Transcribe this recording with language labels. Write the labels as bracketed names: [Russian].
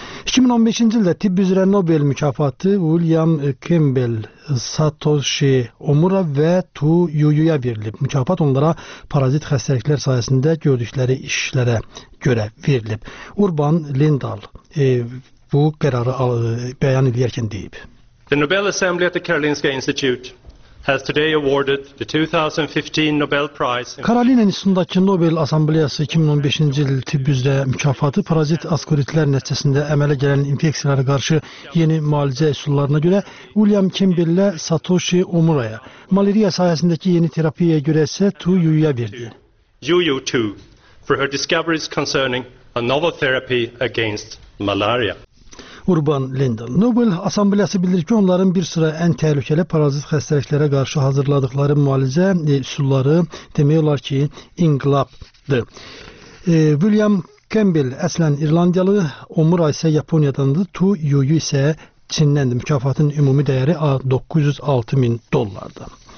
[Azerbaijani] 2015-ci ildə tibb üzrə Nobel mükafatı William Campbell, Satoshi Omura və Tu Yuyuya verilib. Mükafat onlara parazit xəstəliklər sayəsində gördükləri işlərə görə verilib. Urban Lindahl bu qərarı bəyan edərkən deyib. [English] The Nobel Assembly at the Karolinska Institute has today awarded the 2015 Nobel Prize. [Azerbaijani] Karolina İnstitutundakı Nobel Assembleyası 2015-ci il tibb üzrə mükafatı parazit askoritlər nəticəsində əmələ gələn infeksiyalara qarşı yeni müalicə üsullarına görə William Campbell ilə Satoshi Omura'ya, malaria sayəsindəki yeni terapiyaya görə isə Tu Yuyuya verdi. [English] Yuyu Tu for her discoveries concerning a novel therapy against malaria. [Azerbaijani] Urban Lindahl. Nobel Assembleyası bildirir ki, onların bir sıra ən təhlükəli parazit xəstəliklərə qarşı hazırladıqları müalicə üsulları demək olar ki, inqilabdır. William Campbell əslən İrlandiyalı, Omura isə Yaponiyadandır, Tu Yuyu isə Çindəndir. Mükafatın ümumi dəyəri 906 min dollardır.